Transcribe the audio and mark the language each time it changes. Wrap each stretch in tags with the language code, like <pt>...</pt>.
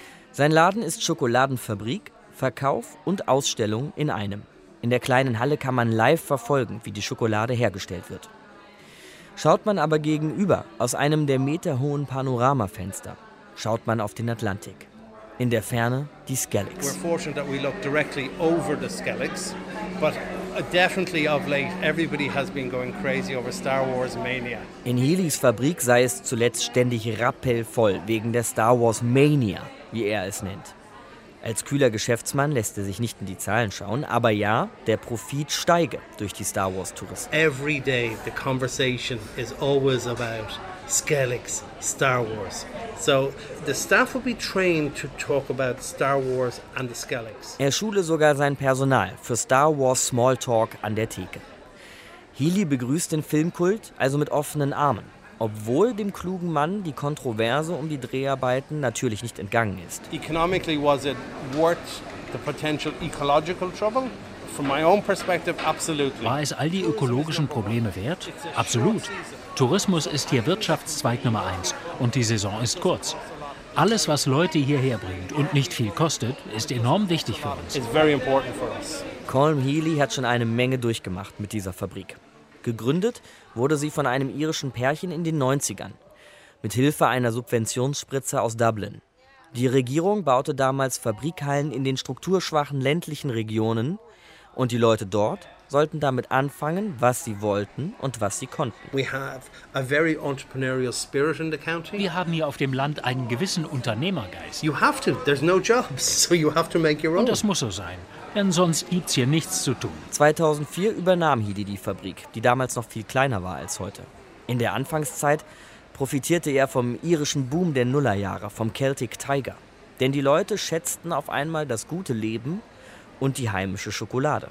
<de>Sein Laden ist Schokoladenfabrik, Verkauf und Ausstellung in einem. In der kleinen Halle kann man live verfolgen, wie die Schokolade hergestellt wird. Schaut man aber gegenüber aus einem der meterhohen Panoramafenster, schaut man auf den Atlantik. In der Ferne die Skelligs.</de> <en>We're fortunate that we look directly over the Skelligs, but definitely of late everybody has been going crazy over Star Wars Mania.</en> <de>In Healys Fabrik sei es zuletzt ständig rappelvoll wegen der Star Wars Mania, wie er es nennt. Als kühler Geschäftsmann lässt er sich nicht in die Zahlen schauen, aber ja, der Profit steige durch die Star Wars Touristen.</de> <en>Every day the conversation is always about Skelligs, Star Wars. So the staff will be trained to talk about Star Wars and the Skelligs.</en> <de>Er schule sogar sein Personal für Star Wars Smalltalk an der Theke. Healy begrüßt den Filmkult also mit offenen Armen, obwohl dem klugen Mann die Kontroverse um die Dreharbeiten natürlich nicht entgangen ist.</de> <en>Economically was it worth the potential ecological trouble? From my own perspective, absolutely.</en> <de>War es all die ökologischen Probleme wert? Absolut. Tourismus ist hier Wirtschaftszweig Nummer eins und die Saison ist kurz. Alles, was Leute hierher bringt und nicht viel kostet, ist enorm wichtig für uns.</de> <en>It's very important for us.</en> <de>Colm Healy hat schon eine Menge durchgemacht mit dieser Fabrik. Gegründet wurde sie von einem irischen Pärchen in den 90ern, mit Hilfe einer Subventionsspritze aus Dublin. Die Regierung baute damals Fabrikhallen in den strukturschwachen ländlichen Regionen und die Leute dort sollten damit anfangen, was sie wollten und was sie konnten.</de> <en>We have a very entrepreneurial spirit in the county.</en> <de>Wir haben hier auf dem Land einen gewissen Unternehmergeist.</de> <en>You have to. There's no jobs, so you have to make your own.</en> <de>Und das muss so sein, denn sonst gibt's hier nichts zu tun. 2004 übernahm Healy die Fabrik, die damals noch viel kleiner war als heute. In der Anfangszeit profitierte er vom irischen Boom der Nullerjahre, vom Celtic Tiger. Denn die Leute schätzten auf einmal das gute Leben und die heimische Schokolade.</de>